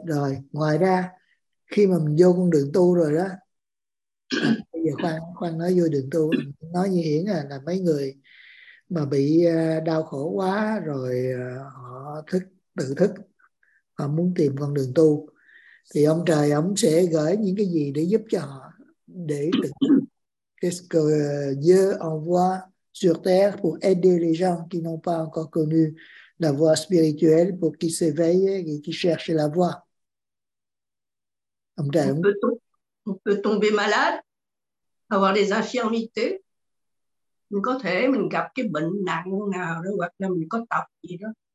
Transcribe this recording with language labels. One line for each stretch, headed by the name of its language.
Vietnamese: Rồi ngoài ra khi mà mình vô con đường tu rồi đó, bây giờ khoan nói vô đường tu, nói như Hiển là mấy người mà bị đau khổ quá rồi họ thức tự thức, họ muốn tìm con đường tu, thì ông trời ông sẽ gửi những cái gì để giúp cho họ để tự thức.
French: Qu'est-ce que Dieu envoie sur terre pour aider les gens qui n'ont pas encore connu la voie spirituelle pour qu'ils s'éveillent et qu'ils cherchent la voie? On peut tomber malade, avoir des infirmités.
Vietnamese: Mình có thể mình gặp cái bệnh nặng nào đó, hoặc là mình có tật gì đó.